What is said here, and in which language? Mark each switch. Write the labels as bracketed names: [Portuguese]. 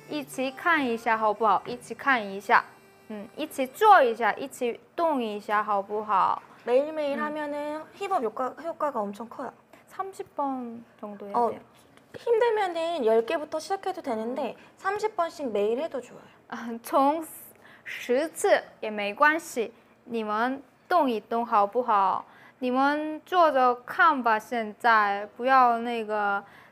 [Chinese] 看起来怎么样，大家？一起看一下好不好？一起看一下。一起做一下，一起动一下，好不好？ [Korean] 매일매일 하면은 힙업 효과가 엄청 커요. 30번 정도 해야 돼요. 힘들면은 10개부터 시작해도 되는데 30번씩 매일 해도 좋아요. [Chinese] 从10次也没关系，你们动一动好不好？你们坐着看吧，现在不要那个。